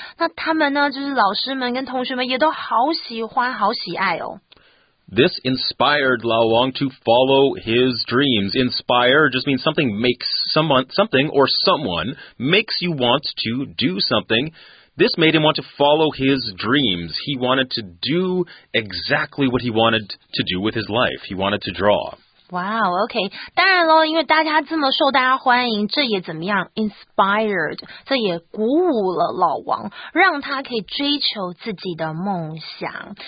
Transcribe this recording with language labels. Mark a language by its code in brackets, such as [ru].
[zh] 那他们呢，就是老师们跟同学们也都好喜欢，好喜爱哦。 [en] This inspired Lao Wang to follow his dreams. Inspire just means something makes something or someone makes you want to do something. This made him want to follow his dreams. He wanted to do exactly what he wanted to do with his life. He wanted to draw. Wow, okay. [zh] 当然咯，因为大家这么受大家欢迎，这也怎么样 inspired， 这也鼓舞了老王，让他可以追求自己的梦想。